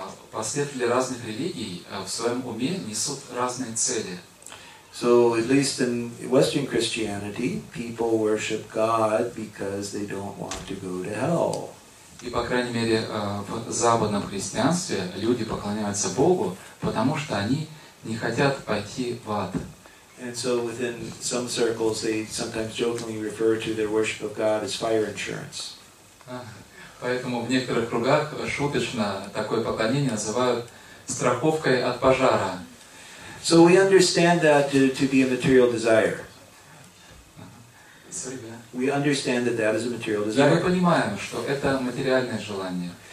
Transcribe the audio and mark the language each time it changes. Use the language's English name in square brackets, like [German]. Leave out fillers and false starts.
[Russian] Последователи разных религий в своем уме несут разные цели. [English] So at least in Western Christianity, people worship God because they don't want to go to hell. [Russian] И по крайней мере в западном христианстве люди поклоняются Богу, потому что они не хотят пойти в ад. [English] And so within some circles, they sometimes jokingly refer to their worship of God as fire insurance. [Russian] Поэтому в некоторых кругах шуточно такое поклонение называют страховкой от пожара. [English] So we understand that to be a material desire. We understand that that is a material desire. [Russian] И мы понимаем, что это материальное желание.